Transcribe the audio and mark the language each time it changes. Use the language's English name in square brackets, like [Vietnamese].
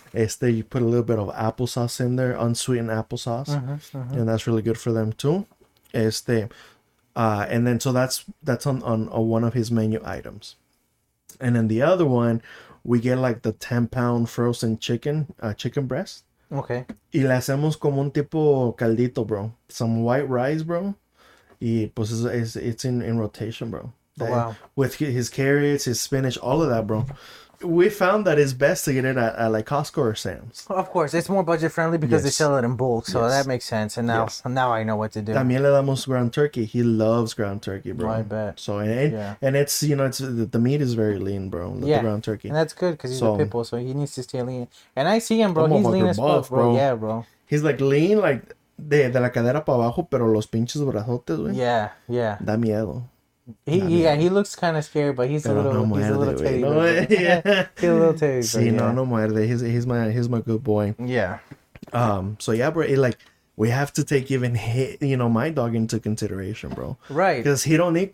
[English] You put a little bit of applesauce in there, unsweetened applesauce, and that's really good for them too. And then so that's on one of his menu items. And then the other one, we get like the 10-pound frozen chicken breast. Okay. [Spanish] Y le hacemos como un tipo caldito, bro. [English] Some white rice, bro. [Spanish] Y pues [English] it's in rotation, bro. With his carrots, his spinach, all of that, bro. We found that it's best to get it at like Costco or Sam's. Of course, it's more budget friendly because they sell it in bulk, so that makes sense. And now I know what to do. [Spanish] También le damos [English] ground turkey. He loves ground turkey, bro. I bet. So and it's, you know, it's the meat is very lean, bro. The ground turkey. And that's good because he's a pit bull, so he needs to stay lean. And I see him, bro. He's lean as fuck, bro. Yeah, bro. He's like lean, like [Spanish] de la cadera para abajo, pero los pinches brazotes, güey. [English] Yeah, yeah. [Spanish] Da miedo. [English] He looks kind of scary, but he's a little teddy. [Spanish] Sí, no, no muerde. [English] He's my good boy. Yeah. So yeah, bro. Like we have to take even my dog into consideration, bro. Right. Because he don't need